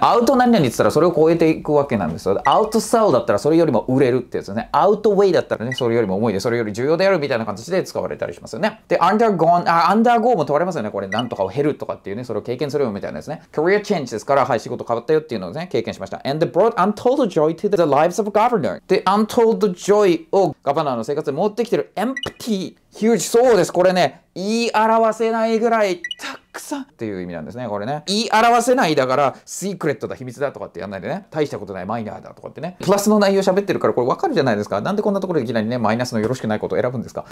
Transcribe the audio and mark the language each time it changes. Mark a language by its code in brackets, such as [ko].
[ja] out 何々って言ったらそれを超えていくわけなんですよ。out sell だったらそれよりも売れるってやつですね。 out way だったらね、それよりも重いで、それより重要であるみたいな感じで使われたりしますよね。で、undergo も問われますよね。これ、なんとかを減るとかっていうね、それを経験するよみたいなですね。 career change ですから、はい、仕事変わったよっていうのをですね、経験しました。 [en] and they brought untold joy to the lives of governor. [ja] で、untold joy をガバナーの生活に持ってきてる。 empty、huge、そうです。これね、言い表せないぐらいたくさんっていう意味なんですね、これね。言い表せないだから、シークレットだ、秘密だとかってやんないでね。大したことない、マイナーだとかってね。プラスの内容喋ってるから、これわかるじゃないですか。なんでこんなところでいきなりね、マイナスのよろしくないことを選ぶんですか。